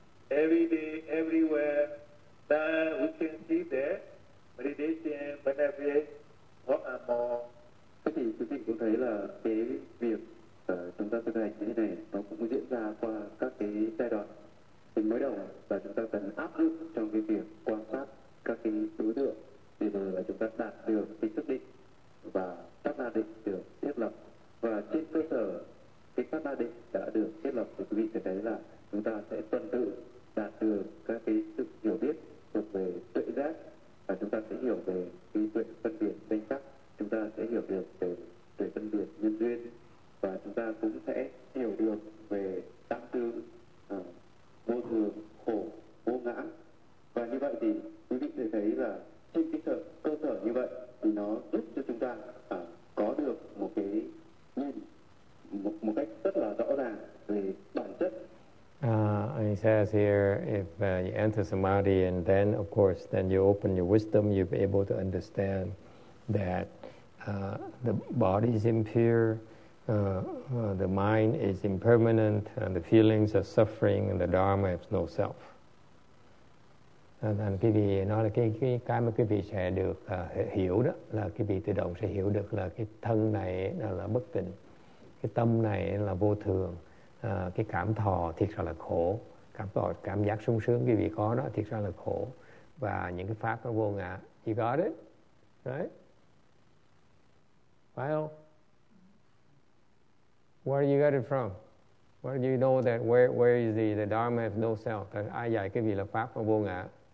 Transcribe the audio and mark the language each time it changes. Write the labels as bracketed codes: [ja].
[en] every day, everywhere, that we can see the meditation benefit more and more. [vi] Thì quý vị cũng thấy là cái việc chúng ta thực hành như thế này nó cũng diễn ra qua các cái giai đoạn. Thì mới đầu là chúng ta cần áp dụng trong cái việc quan sát các cái đối tượng thì rồi là chúng ta đạt được cái thức định và các đa định được thiết lập. Và trên cơ sở cái các đa định đã được thiết lập thì quý vị sẽ thấy là chúng ta sẽ tuần tự đạt được các cái sự hiểu biết thuộc về tuệ giác, và chúng ta sẽ hiểu về cái tuệ phân biệt danh sắc, chúng ta sẽ hiểu được về tuệ phân biệt nhân duyên, và chúng ta cũng sẽ hiểu được về tam tướng vô thường, khổ, vô ngã. Và như vậy thì quý vị sẽ thấy là trên cái cơ sở như vậy thì nó giúp cho chúng ta có được một cái nhìn một cách rất là rõ ràng về bản chất. [en] He says here, if you enter samadhi and then, of course, then you open your wisdom, you'll be able to understand that the body is impure, the mind is impermanent, and the feelings are suffering, and the dharma has no self. [vi] Thành quý vị nói là cái mà quý vị sẽ được hiểu đó, là quý vị tự động sẽ hiểu được là cái thân này là bất tịnh, cái tâm này là vô thường. Cái cảm thọ thiệt ra là khổ, cảm giác sung sướng quý vị có đó thiệt ra là khổ, và những cái pháp nó vô ngã. [en] You got it? Right? [vi] Phải không? [en] Where you got it from? Where do you know that where is the dharma have no self? [vi] That ai dạy quý vị là pháp nó vô ngã?